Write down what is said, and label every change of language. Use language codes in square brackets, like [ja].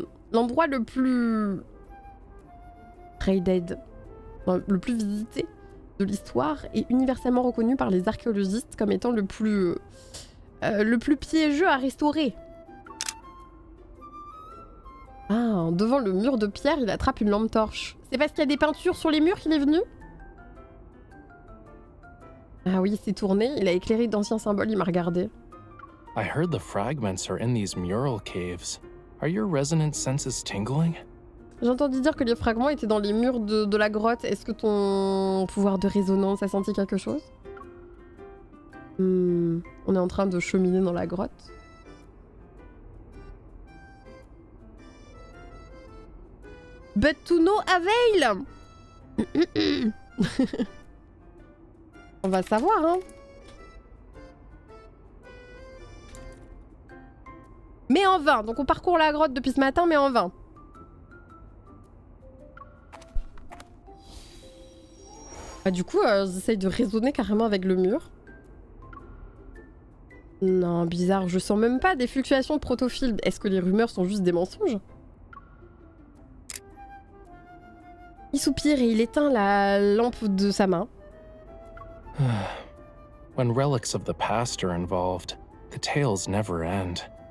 [fr] L'endroit le plus rated, le plus visité de l'histoire, est universellement reconnu par les archéologistes comme étant le plus piégeux à restaurer. Ah, devant le mur de pierre, il attrape une lampe torche. C'est parce qu'il y a des peintures sur les murs qu'il est venu ? Ah oui, il s'est tourné, il a éclairé d'anciens symboles, il m'a regardé. [en] I heard the fragments are in these mural caves. Are your resonant senses tingling? [fr] J'ai entendu dire que les fragments étaient dans les murs de la grotte. Est-ce que ton pouvoir de résonance a senti quelque chose ? On est en train de cheminer dans la grotte. [en] But to no avail. [fr] On va savoir, hein. Mais en vain. Donc on parcourt la grotte depuis ce matin, mais en vain. Bah, du coup, j'essaye de raisonner carrément avec le mur. Non, bizarre, je sens même pas des fluctuations de protofield. Est-ce que les rumeurs sont juste des mensonges? Il soupire et il éteint la lampe de sa main. [en] When relics of the past are involved, the tales never end.